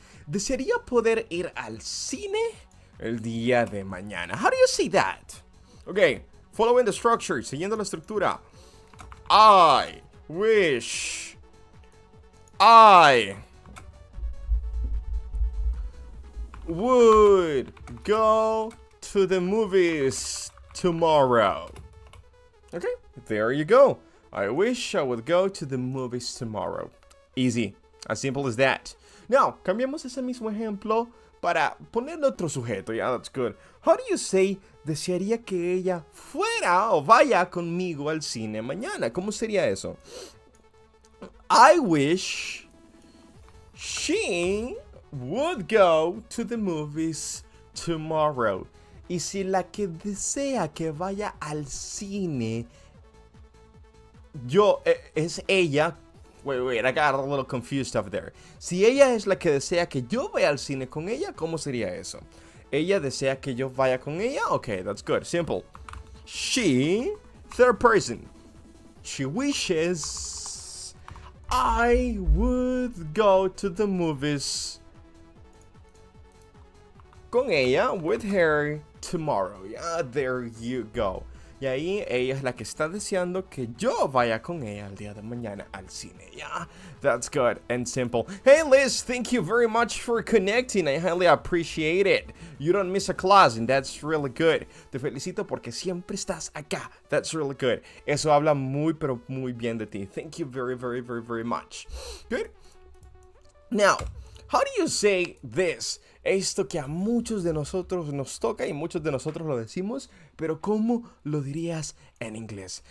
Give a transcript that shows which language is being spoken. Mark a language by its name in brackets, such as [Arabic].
[Spanish] Desearía poder ir al cine el día de mañana. [English] How do you say that? Okay, following the structure, [Spanish] siguiendo la estructura. [English] I wish I would go to the movies tomorrow. Okay, there you go. I wish I would go to the movies tomorrow. Easy, as simple as that. [Spanish] Now, cambiamos ese mismo ejemplo para ponerle otro sujeto. [English] Yeah, that's good. How do you say [Spanish] desearía que ella fuera o vaya conmigo al cine mañana? ¿Cómo sería eso? [English] I wish she would go to the movies tomorrow. [Spanish] Y si la que desea que vaya al cine, yo, es ella. [English] Wait, I got a little confused up there. [Spanish] Si ella es la que desea que yo vaya al cine con ella, ¿cómo sería eso? ¿Ella desea que yo vaya con ella? [English] Okay, that's good. Simple. She, third person. She wishes I would go to the movies [Spanish] con ella, [English] with her, tomorrow. Yeah, there you go. [Spanish] Y ahí ella es la que está deseando que yo vaya con ella el día de mañana al cine. [English] Yeah, that's good and simple. Hey Liz, thank you very much for connecting. I highly appreciate it. You don't miss a class and that's really good. [Spanish] Te felicito porque siempre estás acá. [English] That's really good. [Spanish] Eso habla muy pero muy bien de ti. [English] Thank you very, very, very, very much. Good. Now, how do you say this? [Spanish] Esto que a muchos de nosotros nos toca y muchos de nosotros lo decimos, pero ¿cómo lo dirías en inglés?